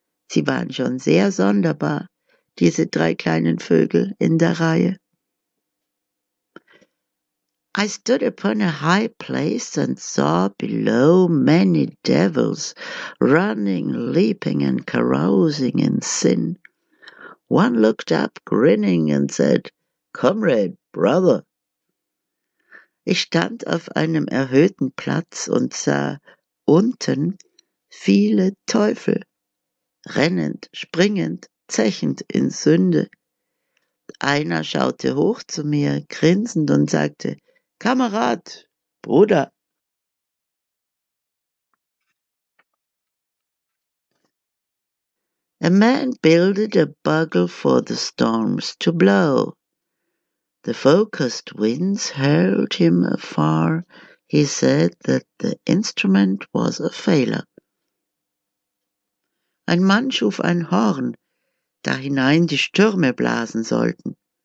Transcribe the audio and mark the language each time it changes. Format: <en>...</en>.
<de>Sie waren schon sehr sonderbar, diese drei kleinen Vögel in der Reihe.</de> <en>I stood upon a high place and saw below many devils running, leaping and carousing in sin. One looked up grinning and said, "Comrade, brother."</en> <de>Ich stand auf einem erhöhten Platz und sah unten viele Teufel rennend, springend, zechend in Sünde. Einer schaute hoch zu mir grinsend und sagte, "Kamerad, Bruder."</de> <en>A man builded a bugle for the storms to blow. The focused winds hurled him afar. He said that the instrument was a failure.</en> <de>Ein Mann schuf ein Horn, da hinein die Stürme blasen sollten.</de>